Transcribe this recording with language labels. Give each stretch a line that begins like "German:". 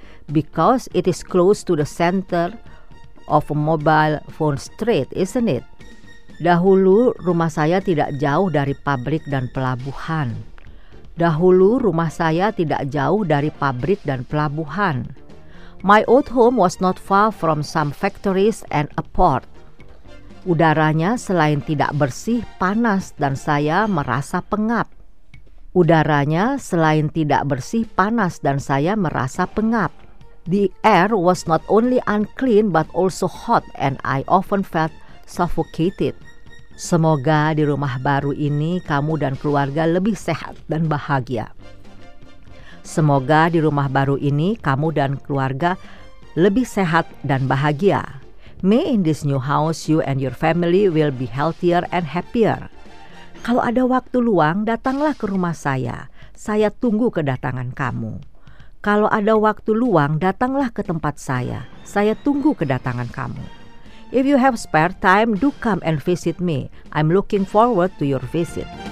English: because it is close to the center of a mobile phone street, isn't it?
Indonesian: Dahulu rumah saya tidak jauh dari pabrik dan pelabuhan. Dahulu rumah saya tidak jauh dari pabrik dan pelabuhan.
English: My old home was not far from some factories and a port.
Indonesian: Udaranya selain tidak bersih, panas dan saya merasa pengap. Udaranya selain tidak bersih, panas dan saya merasa pengap.
English: The air was not only unclean but also hot and I often felt suffocated.
Indonesian: Semoga di rumah baru ini kamu dan keluarga lebih sehat dan bahagia. Semoga di rumah baru ini kamu dan keluarga lebih sehat dan bahagia.
English: May in this new house you and your family will be healthier and happier.
Indonesian: Kalau ada waktu luang, datanglah ke rumah saya. Saya tunggu kedatangan kamu. Kalau ada waktu luang, datanglah ke tempat saya. Saya tunggu kedatangan kamu.
English: If you have spare time, do come and visit me. I'm looking forward to your visit.